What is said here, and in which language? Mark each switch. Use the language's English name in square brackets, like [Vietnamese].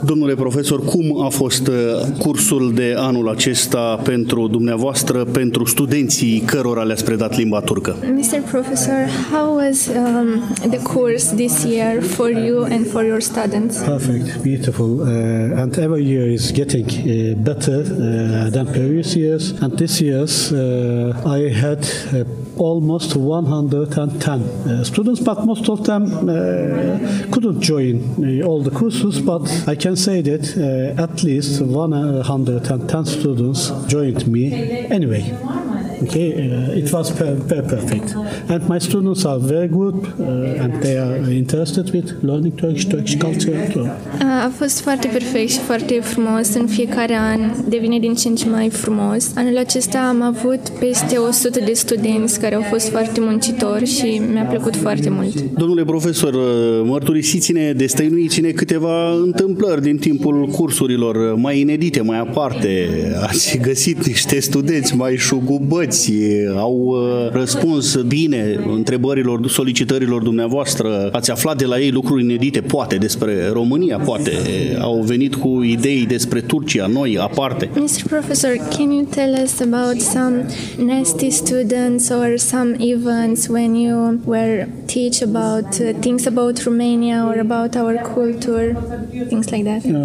[Romanian] Domnule profesor, cum a fost cursul de anul acesta pentru dumneavoastră, pentru studenții cărora le-ați predat limba turcă? [English] Mr. Professor, how was the course this year for you and for your students? Perfect, beautiful. And every year is getting better than previous years. And this year I had almost 110 students, but most of them couldn't join all the courses, but I can say that at least 110 students joined me anyway. Okay, it was perfect. And my students are very good and they are interested with learning Turkish culture. [Romanian] A fost foarte perfect și foarte frumos. În fiecare an devine din ce în ce mai frumos. Anul acesta am avut peste 100 de studenți care au fost foarte muncitori și mi-a plăcut foarte mult. Domnule profesor, mărturisiți-ne, destăinuiți-ne câteva întâmplări din timpul cursurilor mai inedite, mai aparte. Ați găsit niște studenți mai șugubă? Au răspuns bine întrebărilor, solicitărilor dumneavoastră? Ați aflat de la ei lucruri inedite, poate, despre România, poate? Au venit cu idei despre Turcia, noi, aparte? [English] Mr. Professor, can you tell us about some nasty students or some events when you were teach about things about Romania or about our culture, things like that?